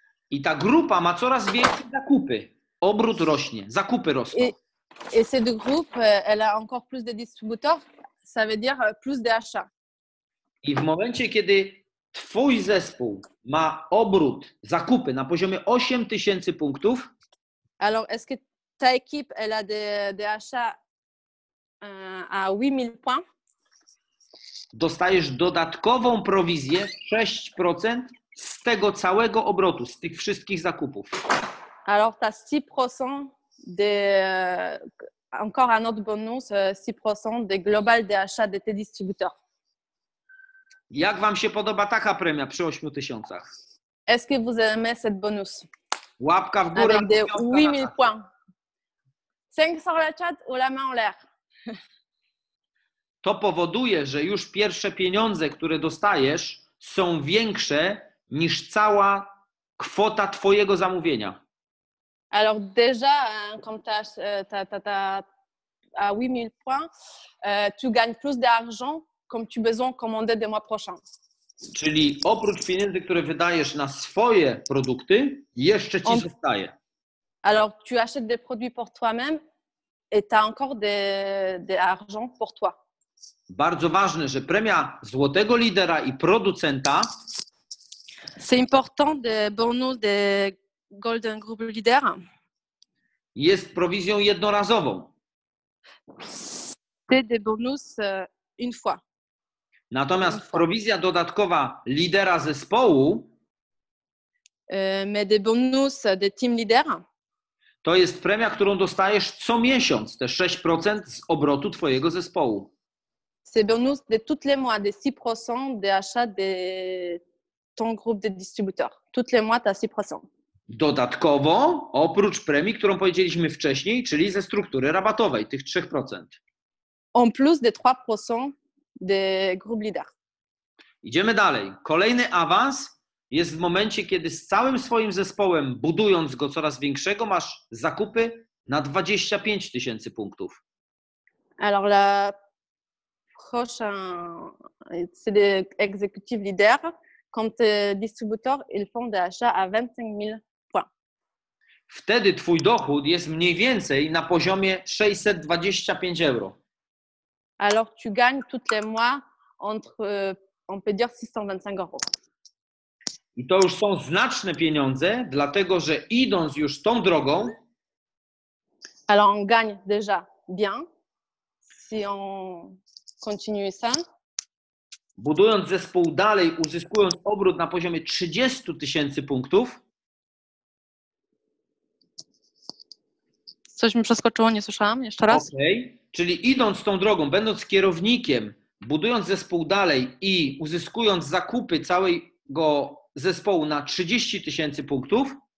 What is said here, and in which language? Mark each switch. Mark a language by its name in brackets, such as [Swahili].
[Polish] I ta grupa ma coraz większe zakupy. Obrót rośnie, zakupy rosną. [French] Et cette groupe elle a encore plus de distributeurs, ça veut dire plus d'achats. [Polish] I w momencie kiedy twój zespół ma obrót, zakupy na poziomie 8000 punktów, [French] alors est-ce que ta équipe elle a des achats à 8000 points. [Polish] Dostajesz dodatkową prowizję 6% z tego całego obrotu, z tych wszystkich zakupów. [French] Alors tu as 6% de encore un autre bonus 6% des global des achats de tes distributeurs. [Polish] Jak wam się podoba taka premia przy 8 tysiącach? [French] Est-ce que vous aimez cette bonus? [Polish] Łapka w górę. [French] Avec des 8000 points. 500 la chat ou la main en l'air. [Polish] To powoduje, że już pierwsze pieniądze, które dostajesz, są większe niż cała kwota twojego zamówienia. [French] Alors déjà, quand tu as ta 8000 points, tu gagnes plus d'argent comme tu besoin commander des mois prochains. [Polish] Czyli oprócz pieniędzy, które wydajesz na swoje produkty, jeszcze ci zostaje. [French] Alors tu achètes des produits pour toi-même et tu as encore de argent pour toi. [Polish] Bardzo ważne, że premia złotego lidera i producenta. [French] C'est important de bonus de Golden Group Leader. [Polish] Jest prowizją jednorazową. [French] C'est des bonus une fois. [Polish] Natomiast prowizja dodatkowa lidera zespołu. [French] Mais des bonus de team leader. [Polish] To jest premia, którą dostajesz co miesiąc, te 6% z obrotu twojego zespołu. [French] C'est bonus de toutes les mois, de 6% d'achat de ton groupe de distributeurs. Toutes les mois, t'as 6%. [Polish] Dodatkowo, oprócz premii, którą powiedzieliśmy wcześniej, czyli ze struktury rabatowej, tych 3%. [French] En plus de 3% de groupe leader. [Polish] Idziemy dalej. Kolejny awans jest w momencie, kiedy z całym swoim zespołem, budując go coraz większego, masz zakupy na 25 tysięcy punktów. [French] Alors la prochain, c'est des executive leader, quand distributeur, ils font des achats à 25000 points. [Polish] Wtedy twój dochód jest mniej więcej na poziomie 625 euro. [French] Alors tu gagnes toutes les mois entre, on peut dire 625 euros. [Polish] I to już są znaczne pieniądze, dlatego że idąc już tą drogą. [French] Alors on gagne déjà bien, si on continue ça. [Polish] Budując zespół dalej, uzyskując obrót na poziomie 30 tysięcy punktów. Coś mi przeskoczyło, nie słyszałam. Jeszcze raz. Okay. Czyli idąc tą drogą, będąc kierownikiem, budując zespół dalej i uzyskując zakupy całego zespołu na 30 tysięcy punktów.